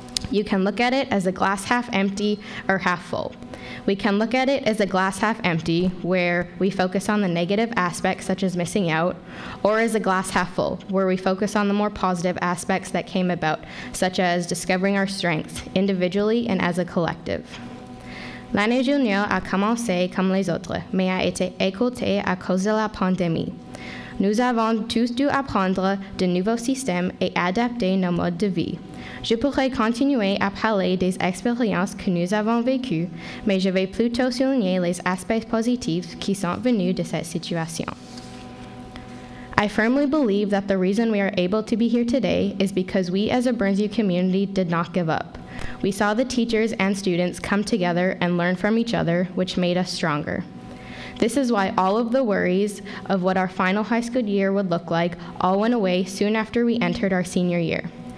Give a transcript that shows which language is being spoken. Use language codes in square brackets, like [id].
[en] You can look at it as a glass half empty or half full. We can look at it as a glass half empty, where we focus on the negative aspects, such as missing out, or as a glass half full, where we focus on the more positive aspects that came about, such as discovering our strengths individually and as a collective. [fr] L'année dernière a commencé comme les autres, mais a été écourtée à cause de la pandémie. Nous avons tous dû apprendre de nouveaux systèmes et adapter nos modes de vie. Je pourrais continuer à parler des expériences que nous avons vécues, mais je vais plutôt souligner les aspects positifs qui sont venus de cette situation. [en] I firmly believe that the reason we are able to be here today is because we as a Burnsview community did not give up. We saw the teachers and students come together and learn from each other, which made us stronger. This is why all of the worries of what our final high school year would look like all went away soon after we entered our senior year.